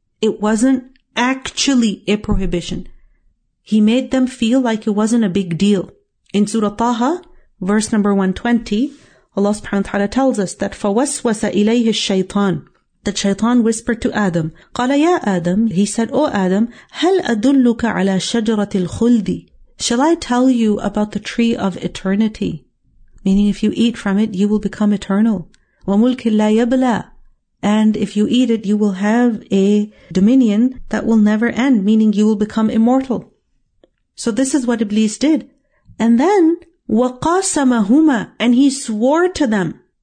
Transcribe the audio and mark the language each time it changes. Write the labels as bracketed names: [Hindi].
[English] It wasn't actually a prohibition. He made them feel like it wasn't a big deal. In Surah Taha, verse number 120, Allah subhanahu wa ta'ala tells us that [Arabic] فَوَسْوَسَ إِلَيْهِ الشَّيْطَانِ. [English] The Shaytan whispered to Adam, [Arabic] قَالَ يَا آدَمْ. [English] He said, O Adam, [Arabic] هَلْ أَدُلُّكَ عَلَى شَجَرَةِ الْخُلْدِ. [English] Shall I tell you about the tree of eternity? Meaning if you eat from it, you will become eternal. [Arabic] وَمُلْكِ لَا يَبْلَى. [English] And if you eat it, you will have a dominion that will never end, meaning you will become immortal. So this is what Iblis did. And then, [Arabic] وَقَاسَمَهُمَا. [English] And he swore to them.